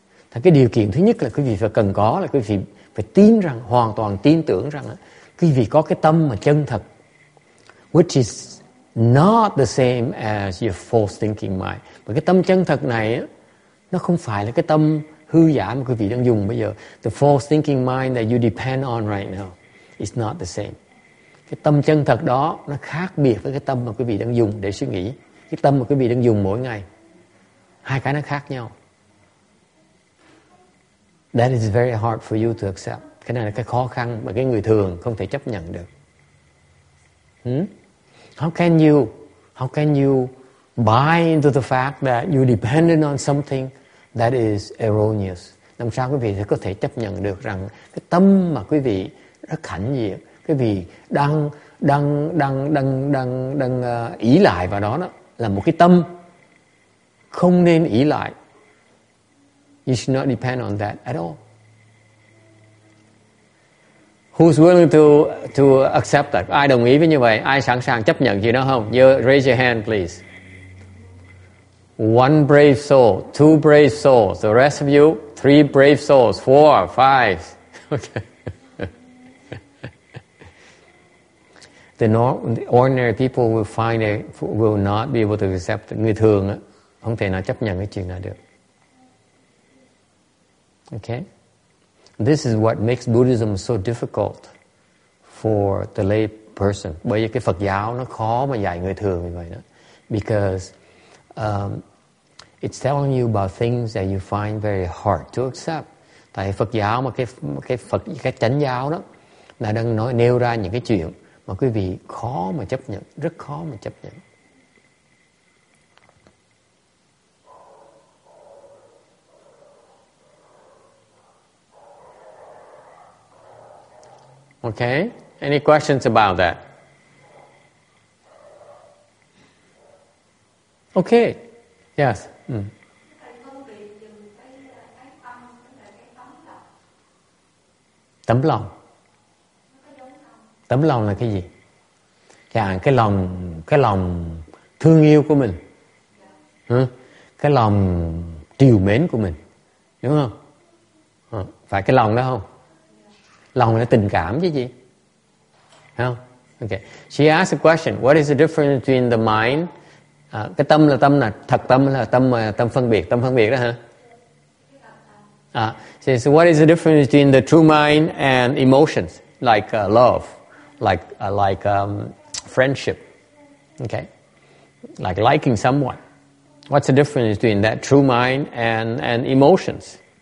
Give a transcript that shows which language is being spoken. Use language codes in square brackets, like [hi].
[vi] Thì cái điều kiện thứ nhất là quý vị phải cần có là quý vị phải tin rằng, hoàn toàn tin tưởng rằng quý vị có cái tâm mà chân thật. [en] Which is not the same as your false thinking mind. [vi] Và cái tâm chân thật này nó không phải là cái tâm hư giả mà quý vị đang dùng bây giờ. [en] The false thinking mind that you depend on right now is not the same. [vi] Cái tâm chân thật đó nó khác biệt với cái tâm mà quý vị đang dùng để suy nghĩ. Cái tâm mà quý vị đang dùng mỗi ngày. Hai cái nó khác nhau. [en] That is very hard for you to accept. [vi] Cái này là cái khó khăn mà cái người thường không thể chấp nhận được. [en] How can you buy into the fact that you dependent on something that is erroneous? [vi] Làm sao quý vị có thể chấp nhận được rằng cái tâm mà quý vị rất hãnh diện, quý vị đang ỷ lại vào đó là một cái tâm không nên ỷ lại. [en] You should not depend on that at all. Who's willing to accept that? [vi] Ai đồng ý với như vậy? Ai sẵn sàng chấp nhận gì đó không? [en] You raise your hand, please. One brave soul, two brave souls, the rest of you, three brave souls, four, five. Okay. The ordinary people will find it, will not be able to accept. [vi] Người thường không thể nào chấp nhận cái chuyện này được. Okay. [en] This is what makes Buddhism so difficult for the lay person. [vi] Bởi vì cái Phật giáo nó khó mà dạy người thường như vậy đó. [en] Because it's telling you about things that you find very hard to accept. [vi] Tại Phật giáo mà cái chánh giáo đó là đang nói nêu ra những cái chuyện mà quý vị khó mà chấp nhận, rất khó mà chấp nhận. [en] Okay, any questions about that? Okay, yes. [vi] Tấm lòng. Tấm lòng là cái gì? Chàng, cái lòng thương yêu của mình. Cái lòng trìu mến của mình. Đúng không? Phải cái lòng đó không? Lòng là tình cảm chứ gì? [en] Okay. She asked a question. What is the difference between the mind? [vi] Cái tâm là tâm nào? Thật tâm là tâm mà tâm phân biệt. Tâm phân biệt đó hả? [en] So what is the difference between the true mind and emotions? Like love. Like friendship. Okay. Like liking someone. What's the difference between that true mind and emotions?